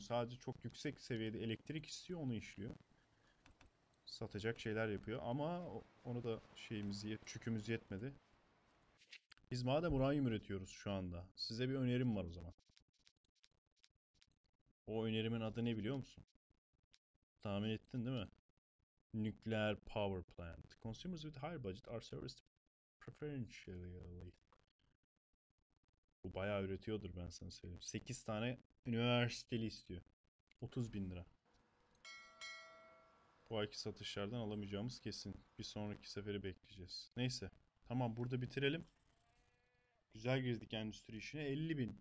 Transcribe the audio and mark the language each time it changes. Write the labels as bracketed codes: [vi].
[tr] Sadece çok yüksek seviyede elektrik istiyor, onu işliyor. Satacak şeyler yapıyor ama onu da çükümüz yetmedi. Biz madem uranyum üretiyoruz şu anda, size bir önerim var o zaman. O önerimin adı ne biliyor musun? Tahmin ettin değil mi? Nükleer power plant. [en] Consumers with high budget are serviced preferentially. [tr] Bu bayağı üretiyordur, ben sana söyleyeyim. 8 tane üniversiteli istiyor. 30 bin lira. Bu ayki satışlardan alamayacağımız kesin. Bir sonraki seferi bekleyeceğiz. Neyse. Tamam, burada bitirelim. Güzel girdik endüstri işine. 50 bin.